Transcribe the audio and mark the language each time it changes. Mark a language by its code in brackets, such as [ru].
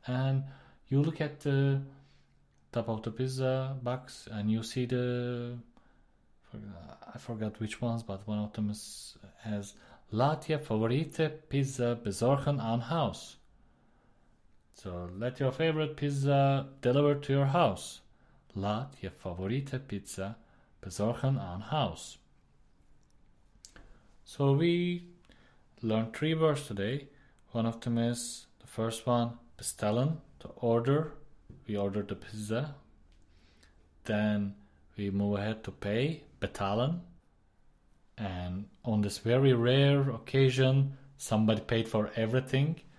[en] And you look at the top of the pizza box and you see the, I forgot which ones, but one of them has [nl] Latje favoriete pizza bezorgen aan huis. [en] So let your favorite pizza deliver to your house. [nl] Latje favoriete pizza bezorgen aan huis. [en] So we learned three words today. One of them is the first one, bestellen, to order. We ordered the pizza. Then we move ahead to pay, betalen. And on this very rare occasion, somebody paid for everything.